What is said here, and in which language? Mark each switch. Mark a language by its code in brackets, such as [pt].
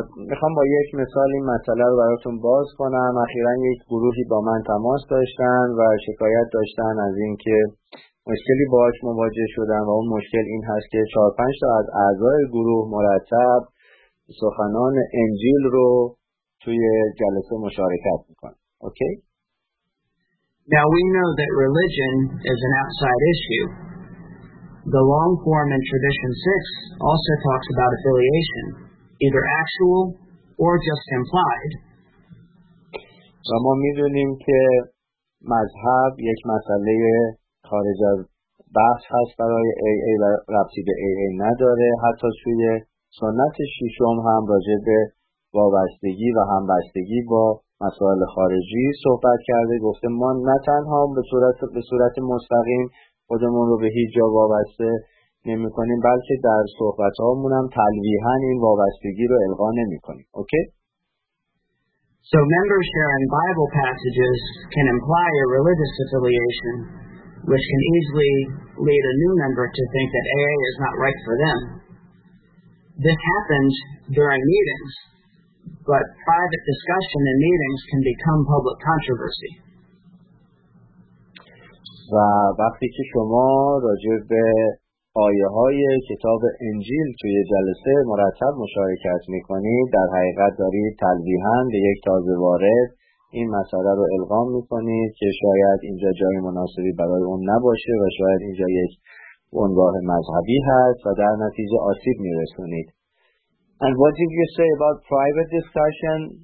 [fa] میخوام با یک مثال این مسئله رو براتون باز کنم. اخیراً یک گروهی با من تماس داشتن و شکایت داشتن از اینکه مشکلی باهاش مواجه شدن و اون مشکل این هست که 4-5 تا از اعضای گروه مرتب سخنان انجیل رو توی جلسه مشارکت میکنه. [en] Okay? Now we know that religion is an outside issue. The long form in tradition 6 also talks about affiliation, either actual or just implied. [fa] و ما میدونیم که مذهب یک مسئله خارج از بحث هست برای AA و ربطی به AA نداره. حتی توی سنت ششم هم راجع به وابستگی و همبستگی با مسائل خارجی صحبت کرده، گفته ما نه تنها به صورت مستقیم خودمون رو به هیچ جا وابسته نمی کنیم، بلکه در صحبت هامون هم تلویحا این وابستگی رو القا نمی کنیم. [en] Okay? So members sharing Bible passages can imply a religious affiliation, which can easily lead a new member to think that AA is not right for them. This happens during meetings, but private discussion in meetings can become public controversy. [fa] و وقتی که شما راجع به آیه های کتاب انجیل توی جلسه مرتب مشارکت میکنید، در حقیقت دارید تلویحاً به یک تازه وارد این مسئله رو القا میکنید که شاید اینجا جای مناسبی برای اون نباشه و شاید اینجا یک عنوان مذهبی هست و در نتیجه آسیب میرسونید. [en] And what did you say about private discussion?